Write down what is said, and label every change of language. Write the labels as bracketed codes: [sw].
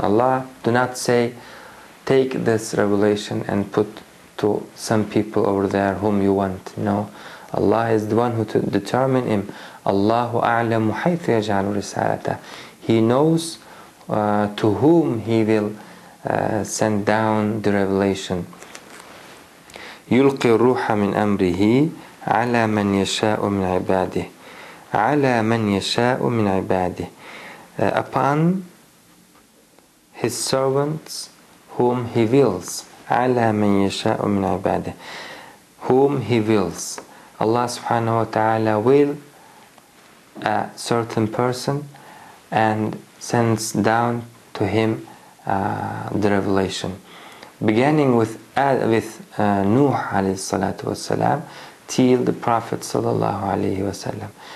[en] Allah do not say, take this revelation and put to some people over there whom you want. No, Allah is the one who to determine him. [ar] Allahu a'lamu haythu yaj'alu risalatahu. [en] He knows to whom he will send down the revelation. [ar] يُلْقِي الرُّوحَ مِنْ أَمْرِهِ عَلَى مَنْ يَشَاءُ مِنْ عِبَادِهِ عَلَى مَنْ يَشَاءُ مِنْ عِبَادِهِ [en] Upon his servants whom he wills. [ar] عَلَى مَنْ يَشَاءُ مِنْ عِبَادِهِ [en] Whom he wills. Allah subhanahu wa ta'ala will a certain person and sends down to him the revelation. Beginning with Nuh alayhi salatu wasalam till the Prophet sallallahu alayhi wasalam.